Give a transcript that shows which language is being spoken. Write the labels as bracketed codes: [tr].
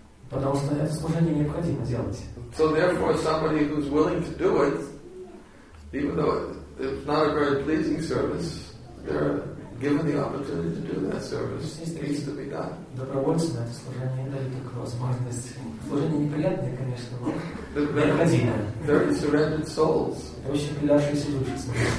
[ru] Потому что это служение необходимо делать. [en] So therefore, somebody who's willing to do it, even though it's not a very pleasing service, they're given the opportunity to do that service. It needs to be done. [ru] Добровольцы на это служение дают только возможность. Служение неприятное, конечно, но необходимое. [en] Very surrendered souls. [ru] Очень предавшиеся души.